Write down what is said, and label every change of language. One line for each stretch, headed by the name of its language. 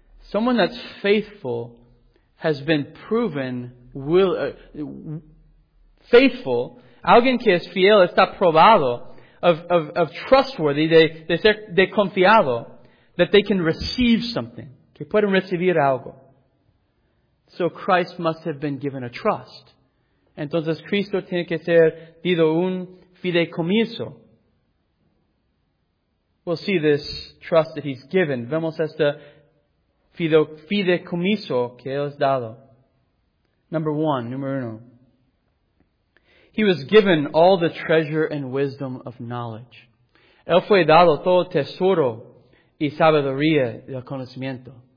English: Someone that's faithful has been proven faithful.
Spanish: Alguien que es fiel está probado
English: of trustworthy,
Spanish: de confiado, that they can receive something. Que pueden recibir algo.
English: So Christ must have been given a trust.
Spanish: Entonces Cristo tiene que ser dado un fideicomiso.
English: We'll see this trust that he's given.
Spanish: Vemos este fideicomiso que él es dado. Número uno.
English: He was given all the treasure and wisdom of knowledge.
Spanish: Él fue dado todo tesoro y sabiduría y conocimiento.